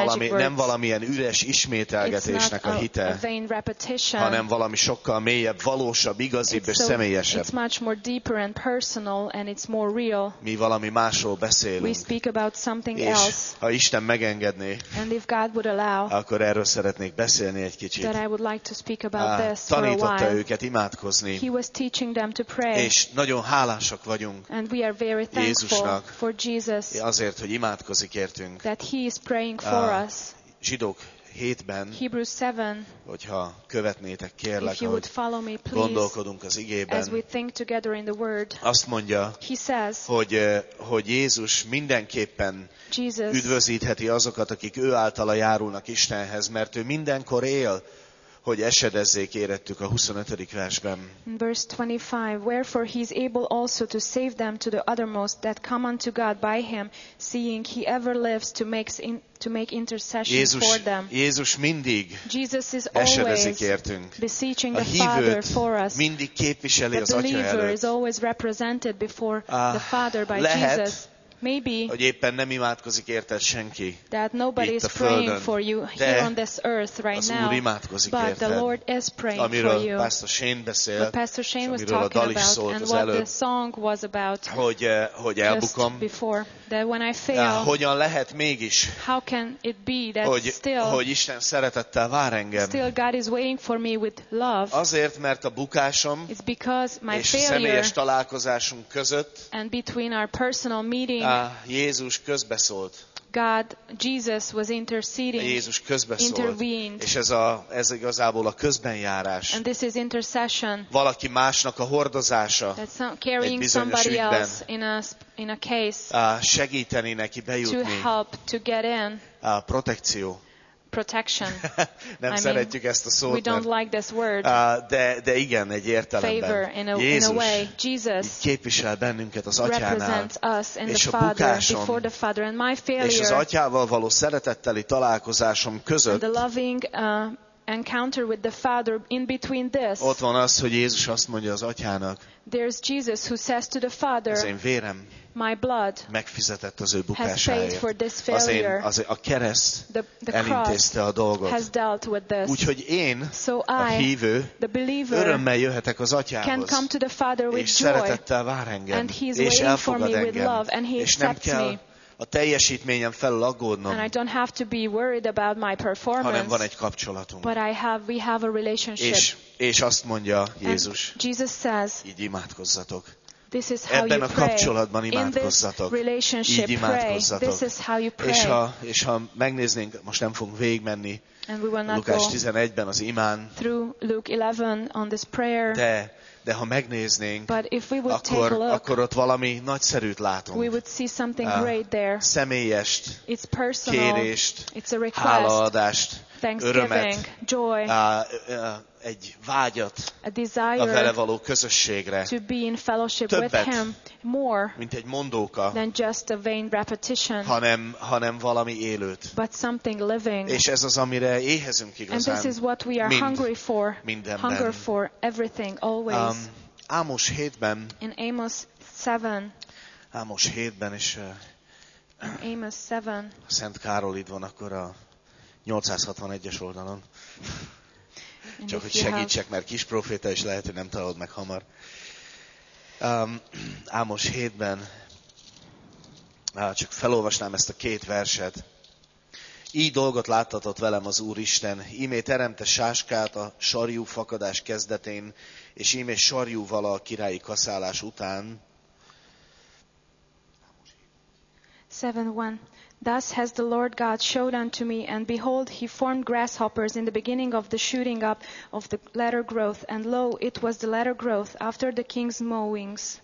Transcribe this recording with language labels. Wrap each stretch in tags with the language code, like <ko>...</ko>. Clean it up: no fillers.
<hu>nem valamilyen üres ismételgetésnek a hite, hanem valami sokkal mélyebb, valósabb, igazibb és személyesebb.</hu> <en>It's much more deeper and personal, and it's more real.</en> <hu>Mi valami másról beszélünk.</hu> <en>We speak about something else.</en> <hu>Ha Isten megengedné,</hu> <en>and if God would allow,</en> <hu>akkor erről szeretnék beszélni egy kicsit.</hu> <en>That I would like to speak about this for a while.</en> <hu>Tanította őket imádkozni.</hu> <en>He was teaching them to pray.</en> <hu>És nagyon hálásak vagyunk</hu> <en>and we are very thankful</en> <hu>Jézusnak</hu> <en>for Jesus,</en> <hu>azért, hogy imádkozik értünk.</hu> <en>That he is praying for us.</en> <hu>Zsidók 7-ben,</hu> <en>Hebrews 7,</en> <hu>hogyha követnétek, kérlek,</hu> <en>if you would follow me, please,</en> <hu>gondolkodunk az igében,</hu> <en>as we think together in the word,</en> <hu>azt mondja,</hu> <en>he says,</en> <hu>hogy Jézus mindenképpen</hu> <en>Jesus</en> <hu>üdvözítheti azokat, akik ő általa járulnak Istenhez, mert ő mindenkor él, hogy esedezzék érettük a 25. versben.</hu> <en>Verse 25, wherefore he is able also to save them to the uttermost that come unto God by him, seeing he ever lives to make intercession for them.</en> <hu>Jézus mindig esedezik értünk.</hu> <en>Beseeching the Father for us.</en> <hu>Mindig képviseli az Atya előtt.</hu> <en>The believer is always represented before the Father by Jesus. Maybe,</en> <hu>hogy éppen nem imádkozik érted senki.</hu> <en>That nobody is praying for you here on this earth right now.</en> <hu>Az Úr imádkozik</hu> <en>but</en> <hu>érted.</hu> <en>The Lord is praying</en> <hu>amiről</hu> <en>for you.</en> <hu>Pastor Shane beszélt,</hu> <en>Pastor Shane was</en> <hu>amiről</hu> <en>talking</en> <hu>a dal is szólt</hu> <en>about,</en> <hu>az előbb,</hu> <en>and what the song was about.</en> <hu>Hogy elbukom.</hu> <en>Before, that when I fail, ja,</en> <hu>hogyan lehet mégis?</hu> <en>How can it be that still,</en> <hu>hogy Isten szeretettel vár engem?</hu> <en>Still God is waiting for me with love.</en> <hu>Azért, mert a bukásom</hu> <en>it's because my</en> <hu>és</hu> <en>failure</en> <hu>személyes találkozásunk között</hu> <en>and between our personal meeting,</en> <hu>Jézus közbeszólt.</hu> <en>God, Jesus was interceding.</en> <hu>Jézus közbeszólt.</hu> <en>Intervened.</en> <hu>És ez igazából a közbenjárás.</hu> <en>And this is intercession.</en> <hu>Valaki másnak a hordozása.</hu> <en>That's not carrying somebody else in a case.</en> <hu>Segíteni neki bejutni.</hu> <en>To help to get in.</en> <hu>Protekció.</hu> <en>Protection.</en> <hu>Nem</hu> <en>I</en> <hu>szeretjük</hu> <en>mean,</en> <hu>ezt a szót.</hu> <en>We don't like this word.</en> <hu>De igen, egy értelemben.</hu> <en>Favor</en> <hu>Jézus</hu> <en>in a way, Jesus</en> <hu>képvisel bennünket az Atyánál.</hu> <en>Represents us in</en> <hu>és</hu> <en>the Father,</en> <hu>a bukásom,</hu> <en>before the Father and my failure,</en> <hu>és az Atyával való szeretetteli találkozásom között.</hu> <en>The loving encounter with the Father in between this.</en> <hu>Ott van az, hogy Jézus azt mondja az Atyának.</hu> <en>There's Jesus who says to the Father.</en> <hu>Az én vérem.</hu> <en>My blood</en> <hu>megfizetett az ő bukásáért.</hu> <en>Has paid for this failure.</en> <hu>A kereszt elintézte a dolgot.</hu> <en>Has dealt with this.</en> <hu>Úgyhogy én,</hu> <en>so I,</en> <hu>a hívő,</hu> <en>the believer,</en> <hu>örömmel jöhetek az Atyához.</hu> <en>Can come to the Father with joy.</en> <hu>És szeretettel vár engem.</hu> <en>And he's</en> <hu>és</hu> <en>waiting</en> <hu>elfogad</hu> <en>for me</en> <hu>engem.</hu> <en>With love, and he</en> <hu>és nem kell a teljesítményem felül aggódnom.</hu> <en>And I don't have to be worried about my performance.</en> <hu>Hanem van egy kapcsolatunk.</hu> <en>But we have a relationship.</en> <hu>És azt mondja Jézus.</hu> <en>And Jesus says,</en> <hu>így imádkozzatok.</hu> <en>This is how</en> <hu>ebben</hu> <en>you</en> <hu>a kapcsolatban imádkozzatok. Így imádkozzatok. És ha megnéznénk, most nem fogunk végigmenni Lukás 11-ben az imán,</hu> <en>Luke 11 on this prayer,</en> <hu>de ha megnéznénk, akkor ott valami nagyszerűt látunk.</hu> <en>We would see something great there.</en> <hu>Személyest,</hu> <en>it's personal,</en> <hu>kérést,</hu> <en>it's a request,</en> <hu>hálaadást,</hu> <en>thanksgiving,</en> <hu>örömet,</hu> <en>joy,</en> <hu>egy vágyat</hu> <en>a desire</en> <hu>a vele való közösségre</hu> <en>to be in fellowship</en> <hu>többet,</hu> <en>with him more</en> <hu>mint egy mondóka</hu> <en>than just a vain repetition</en> <hu>hanem valami élőt</hu> <en>but something living</en> <hu>és ez az amire éhezünk igazán</hu> <en>and this is what we are hungry for</en> <hu>mindenben.</hu> <en>Hunger for everything always</en> <hu>Ámos 7-ben</hu> <en>in Amos 7</en> <hu>Ámos 7-ben is</hu> <en>Amos 7</en> <hu>Szent Károl itt van akkor a 861-es oldalon csak, hogy segítsek, mert kis proféta is lehet, hogy nem találod meg hamar. Ámos 7-ben, csak felolvasnám ezt a két verset. Így dolgot láttatott velem az Úr Isten, ímé teremte sáskát a sarjú fakadás kezdetén, és ímé sarjú vala a királyi kaszálás után.</hu> <en>7-1 Thus has the Lord God showed unto me, and behold, he formed grasshoppers in the beginning of the shooting up of the latter growth, and lo, it was the latter growth after the king's mowings.</en>